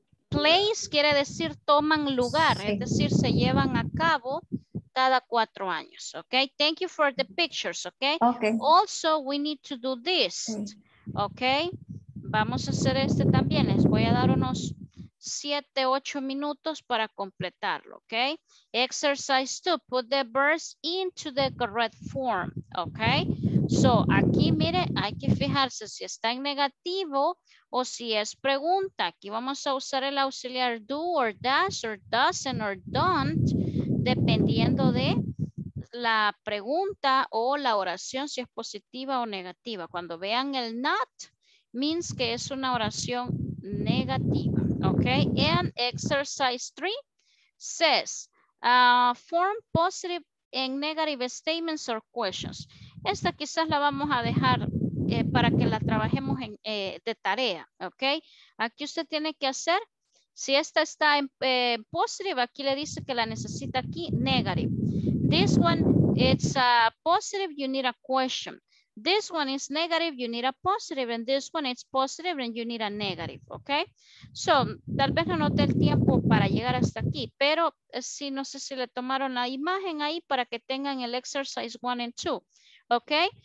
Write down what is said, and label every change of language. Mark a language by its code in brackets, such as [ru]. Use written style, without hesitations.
[es] Place quiere decir toman lugar, sí. Es decir, se llevan a cabo cada 4 años. [en] Okay, thank you for the pictures. Okay, okay. Also, we need to do this. Okay, [es] vamos a hacer este también. Les voy a dar unos 7-8 minutos para completarlo. [en] Okay, exercise 2, put the verbs into the correct form. [es] Okay, so aquí mire, hay que fijarse si está en negativo o si es pregunta. Aquí vamos a usar el auxiliar do or does or doesn't or don't, dependiendo de la pregunta o la oración, si es positiva o negativa. Cuando vean el not, means que es una oración negativa. [en] Okay, and exercise 3 says, form positive and negative statements or questions. [es] Esta quizás la vamos a dejar para que la trabajemos en, de tarea. Okay, aquí usted tiene que hacer. Si esta está en positive, aquí le dice que la necesita aquí, negative. [en] This one, it's a positive, you need a question. This one is negative, you need a positive. And this one, it's positive and you need a negative, okay? [es] So, tal vez no note el tiempo para llegar hasta aquí, pero si no sé si le tomaron la imagen ahí para que tengan el [en] exercise 1 and 2, [es] okay?